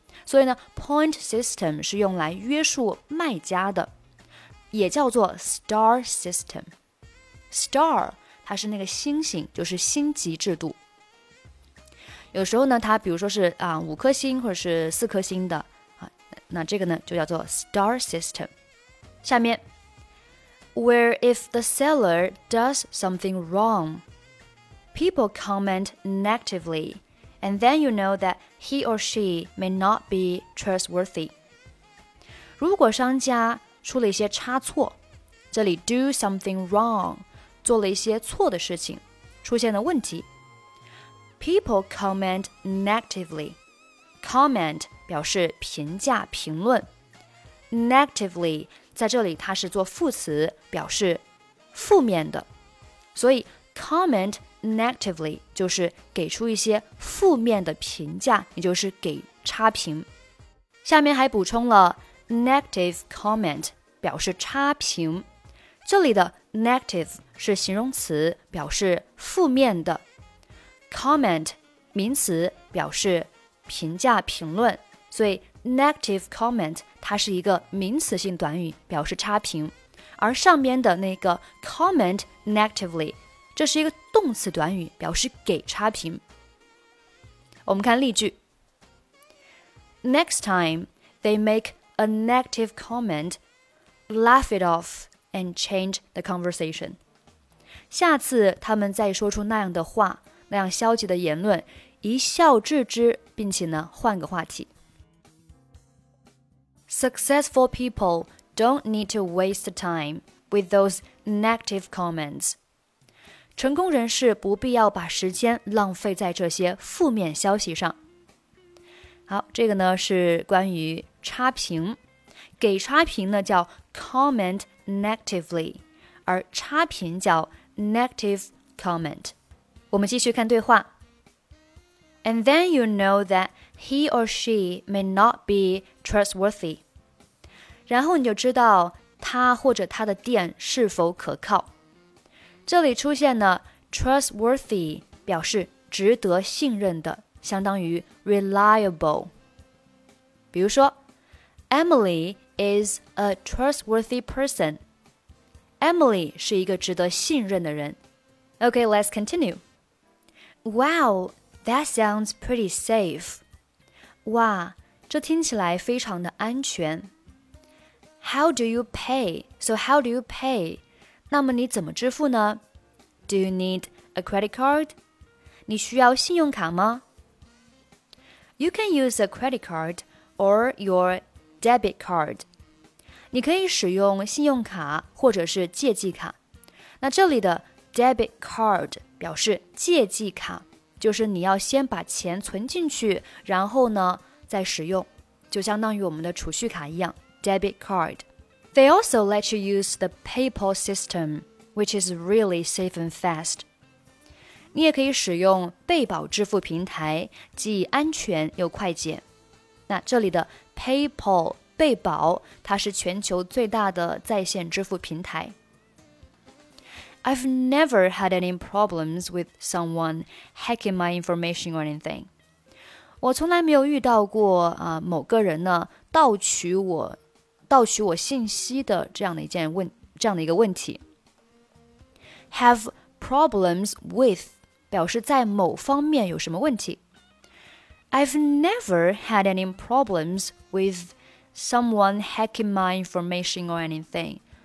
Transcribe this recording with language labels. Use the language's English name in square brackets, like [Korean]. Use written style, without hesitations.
[Chinese] 所以呢 point system 是用来约束卖家的，也叫做 star system。 star它是那个星星，就是星级制度。有时候呢它比如说是五颗星或者是四颗星的那这个呢就叫做 star system。下面 [English] Where if the seller does something wrong, people comment negatively, and then you know that he or she may not be trustworthy. [Chinese] 如果商家出了一些差错，这里 [English] do something wrong, [Chinese] 做了一些错的事情，出现了问题。 [English] People comment negatively. [Chinese] Comment 表示评价、评论。 [English] Negatively [Chinese] 在这里它是做副词，表示负面的。所以 [English] comment negatively [Chinese] 就是给出一些负面的评价，也就是给差评。下面还补充了 negative comment 表示差评。这里的 negative 是形容词，表示负面的。 comment 名词表示评价评论，所以 [English] negative comment [Chinese] 它是一个名词性短语，表示差评。而上边的那个 [English] comment negatively [Chinese] 这是一个动词短语，表示给差评。我们看例句。 [English] Next time, they make a negative comment, laugh it off, and change the conversation. [Chinese] 下次他们再说出那样的话，那样消极的言论，一笑置之，并且呢，换个话题。 [English] Successful people don't need to waste time with those negative comments. [Chinese] 成功人士不必要把时间浪费在这些负面消息上。好，这个呢是关于差评，给差评呢叫 [English] comment negatively， [Chinese] 而差评叫 [English] negative comment。 [Chinese] 我们继续看对话。 [English] And then you know that he or she may not be trustworthy. [Chinese] 然后你就知道他或者他的店是否可靠。这里出现呢 trustworthy 表示值得信任的，相当于 reliable。比如说 [English] Emily is a trustworthy person. [Chinese] Emily 是一个值得信任的人。 [English] OK, let's continue. Wow, that sounds pretty safe. [Chinese] 哇，这听起来非常的安全。 [English] How do you pay? So how do you pay? [Chinese] 那么你怎么支付呢？ [English] Do you need a credit card? [Chinese] 你需要信用卡吗？ [English] You can use a credit card or your debit card. [Chinese] 你可以使用信用卡或者是借记卡。那这里的 debit card 表示借记卡，就是你要先把钱存进去，然后呢再使用，就相当于我们的储蓄卡一样， debit card. [English] They also let you use the PayPal system, which is really safe and fast. [Chinese] 你也可以使用被保支付平台，既安全又快捷。那这里的 PayPal 被保，它是全球最大的在线支付平台。 [English] I've never had any problems with someone hacking my information or anything. [Chinese] 我从来没有遇到过、某个人呢盗取我信息的这样的一个问题。 [English] Have problems with. [Chinese] 表示在某方面有什么问题。 [English] I've never had any problems with someone hacking my information or anything.